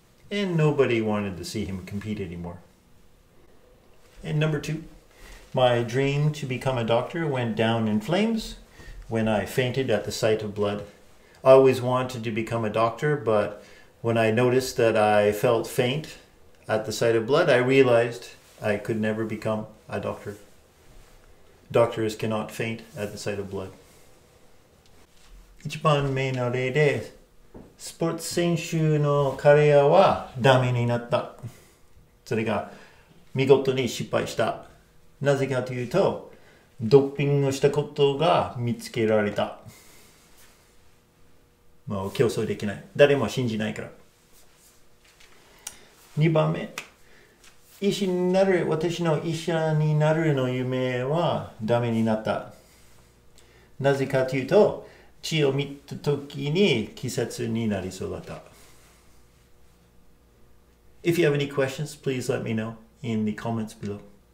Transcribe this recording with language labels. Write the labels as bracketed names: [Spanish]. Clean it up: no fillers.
[English] And nobody wanted to see him compete anymore. And number two, my dream to become a doctor went down in flames when I fainted at the sight of blood. I always wanted to become a doctor, but when I noticed that I felt faint at the sight of blood, I realized I could never become a doctor. Doctors cannot faint at the sight of blood. [Japanese] 一番目の例で、スポーツ選手の彼はダメになった。それが見事に失敗した。なぜかというと、ドーピングしたことが見つけられた。もう競争できない。誰も信じないから。 2番目。医師になる、私の医者になるの夢はダメになった。なぜかというと、血を見た時に気絶になりそうだった。 [English] If you have any questions, please let me know in the comments below.